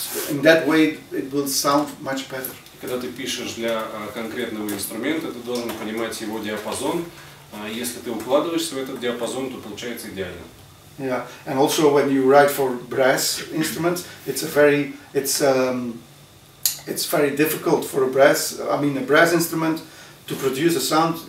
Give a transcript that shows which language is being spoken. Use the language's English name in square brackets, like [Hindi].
[English] In that way, it will sound much better. [Russian] Когда ты пишешь для конкретного инструмента, ты должен понимать его диапазон. Если ты укладываешься в этот диапазон, то получается идеально. [English] Yeah, and also when you write for brass instruments, it's very difficult for a brass instrument to produce a sound.